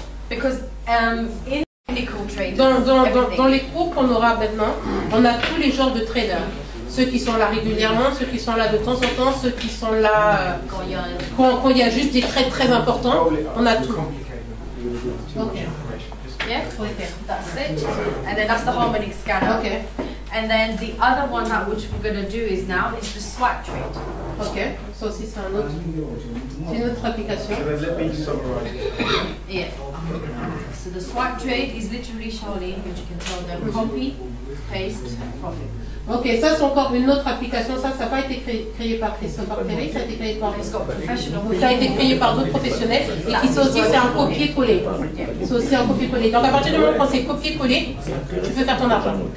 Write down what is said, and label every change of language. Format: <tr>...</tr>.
<en>Because in technical trading.</en> <fr>Dans les cours qu'on aura maintenant, on a tous les genres de traders. Ceux qui sont là régulièrement, ceux qui sont là de temps en temps, ceux qui sont là quand il y a juste des trades très importants, on a tout.</fr> <en>Okay. Yeah, okay. That's it. And then that's the Harmonic Scanner. Okay. And then the other one that which we're going to do is now is the swap trade. Okay, so this is another application. Let me summarize. Yeah. So the swap trade is literally, Charlene, which you can tell them, copy, paste, profit.</en> <fr>Ok, ça c'est encore une autre application, ça n'a pas été créé par Christophe Arcelé, ça a été créé par d'autres professionnels et qui sont aussi, c'est un copier-coller. C'est aussi un copier-coller. Donc à partir du moment où c'est copier-coller, tu peux faire ton argent.</fr>